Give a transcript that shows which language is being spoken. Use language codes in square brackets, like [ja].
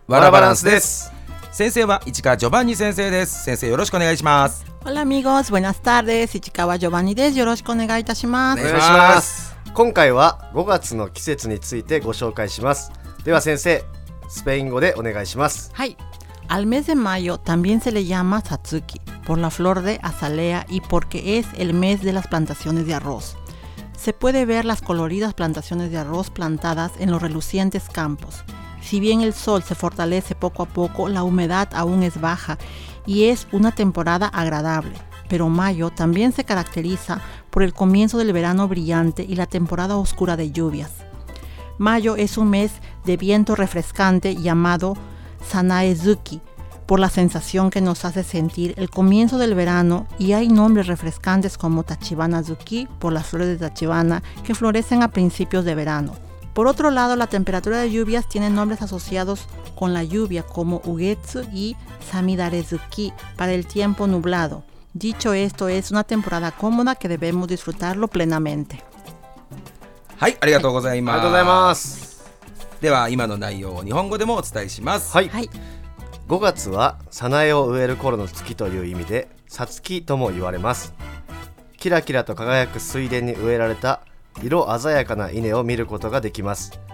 [ja] ワラバランスです。先生は市川ジョバンニ先生です。先生よろしくお願いします。 [es] Hola amigos, buenas tardes, [ja] 市川ジョバンニです。よろしくお願いいたします。お願いします。今回は5月の季節についてご紹介します。では先生、スペイン語でお願いします。はい。 [es] Al mes de mayo también se le llama Satsuki por la flor de azalea y porque es el mes de las plantaciones de arroz. Se puede ver las coloridas plantaciones de arroz plantadas en los relucientes campos. Si bien el sol se fortalece poco a poco, la humedad aún es baja y es una temporada agradable. Pero mayo también se caracteriza por el comienzo del verano brillante y la temporada oscura de lluvias. Mayo es un mes de viento refrescante llamado Sanaezuki, por la sensación que nos hace sentir el comienzo del verano, y hay nombres refrescantes como Tachibana Zuki, por las flores de Tachibana que florecen a principios de verano. Por otro lado, la temperatura de lluvias tiene nombres asociados con la lluvia como Ugetsu y Samidarezuki, para el tiempo nublado. Dicho esto, es una temporada cómoda que debemos disfrutarlo plenamente. [ja] Hay, ありがとうございます。ありがとうございます。では今の内容を日本語でもお伝えします。はい、はい、5月はサナエを植える頃の月という意味でサツキとも言われます。キラキラと輝く水田に植えられた色鮮やかな稲を見ることができます。